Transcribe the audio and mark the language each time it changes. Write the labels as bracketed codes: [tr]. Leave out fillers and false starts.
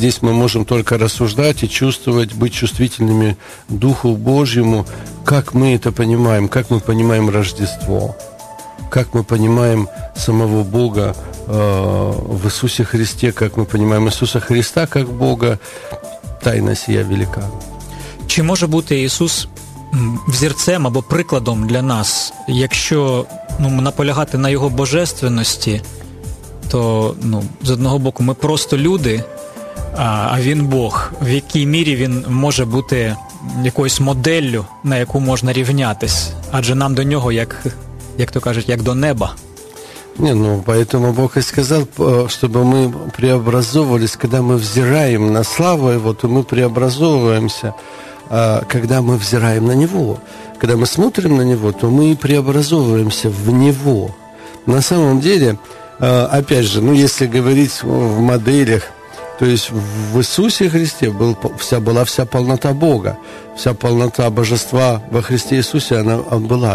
[ru] Здесь мы можем только рассуждать и чувствовать, быть чувствительными Духу Божьему, как мы это понимаем, как мы понимаем Рождество, как мы понимаем самого Бога в Иисусе Христе, как мы понимаем Иисуса Христа как Бога. Тайна сия велика. [uk] Чи може бути Ісус взірцем або прикладом для нас, якщо наполягати на Його божественності, то з одного боку ми просто люди, а Він Бог. В якій мірі Він може бути якоюсь моделлю, на яку можна рівнятись? Адже нам до Нього, як то кажуть, як до неба. [ru] Поэтому Бог и сказал, чтобы мы преобразовывались, когда мы взираем на славу Его, то мы преобразовываемся, когда мы взираем на Него. Когда мы смотрим на Него, то мы преобразовываемся в Него. На самом деле, опять же, если говорить в моделях, то есть в Иисусе Христе была вся полнота Бога, вся полнота Божества во Христе Иисусе, она была.